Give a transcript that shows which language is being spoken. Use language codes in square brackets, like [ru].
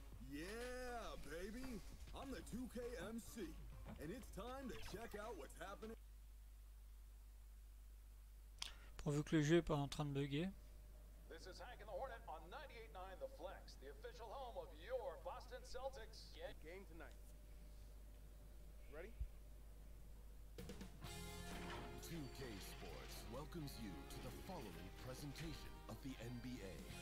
[en] Yeah, baby, I'm the 2K MC, and it's time to check out what's happening. [fr] Pourvu que le jeu est pas en train de bugger. [en] This is Hank and the Hornet on 98.9 The Flex, the official home of your Boston Celtics. Get game tonight. Ready? 2K Sports welcomes you to the following presentation of the NBA.